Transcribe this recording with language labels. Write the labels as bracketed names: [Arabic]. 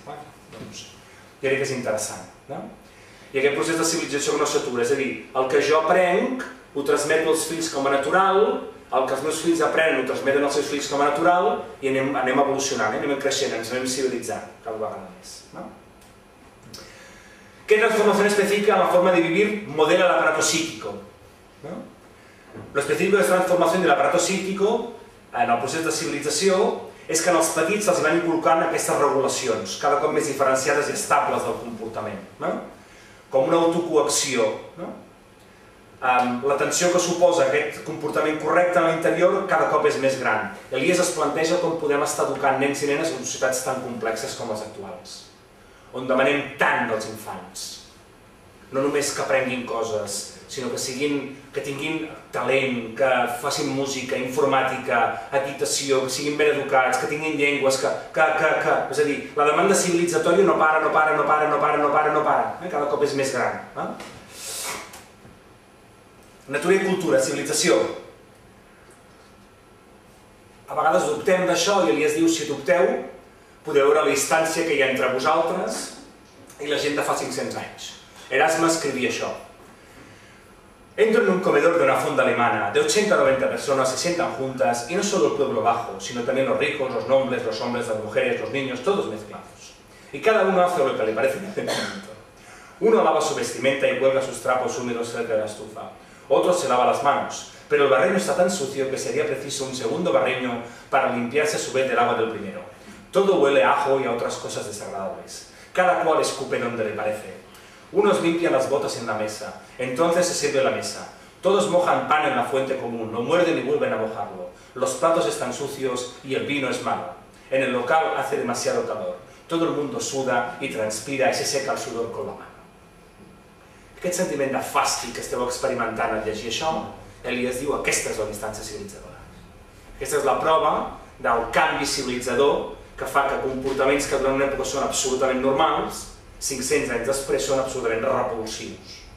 [Catalan] Bueno, doncs, jo crec que és interessant. No? I aquest procés de civilització que no s'atura, és a dir, el que jo aprenc ho transmeto als fills com a natural, el que els meus fills aprenen ho transmeten als seus fills com a natural i anem evolucionant, anem creixent, ens anem civilitzant cada vegada més. No? [Spanish] ¿Qué transformación específica en la forma de vivir modela el aparato psíquico? ¿No? Lo específico de esta transformación del aparato psíquico [Catalan] en el procés de civilització és que en els petits se'ls van inculcant aquestes regulacions, cada cop més diferenciades i estables del comportament. No? Com una autocoacció. No? La tensió que suposa aquest comportament correcte en l'interior cada cop és més gran. Elias es planteja com podem estar educant nens i nenes en societats tan complexes com les actuals, on demanem tant dels infants. No només que aprenguin coses, sinó que siguin, que tinguin talent, que facin música, informàtica, equitació, que siguin ben educats, que tinguin llengües, que... És a dir, la demanda civilitzatòria no para, no para, no para, no para, no para, no para. Cada cop és més gran. Natura i cultura, civilització. A vegades dubtem d'això i Elias diu, si dubteu, podeu veure la distància que hi ha entre vosaltres i la gent de fa 500 anys. Erasme escrivia això. [Spanish] Entro en un comedor de una fonda alemana. De 80 a 90 personas se sientan juntas y no solo el pueblo bajo, sino también los ricos, los nobles, los hombres, las mujeres, los niños, todos mezclados. Y cada uno hace lo que le parece en ese momento. Uno lava su vestimenta y cuelga sus trapos húmedos cerca de la estufa. Otro se lava las manos, pero el barreño está tan sucio que sería preciso un segundo barreño para limpiarse a su vez del agua del primero. Todo huele a ajo y a otras cosas desagradables. Cada cual escupe donde le parece. Unos limpian las botas en la mesa, entonces se sirve la mesa. Todos mojan pan en la fuente común, lo muerden y vuelven a mojarlo. Los platos están sucios y el vino es malo. En el local hace demasiado calor. Todo el mundo suda y transpira y se seca el sudor con la mano. [Catalan] Aquest sentiment de fàstic que esteu experimentant al llegir això, Elias diu, aquesta és la distància civilitzadora. Aquesta és la prova del canvi civilitzador que fa que comportaments que durant una època són absolutament normals, 500 anys després són absolutament repulsius.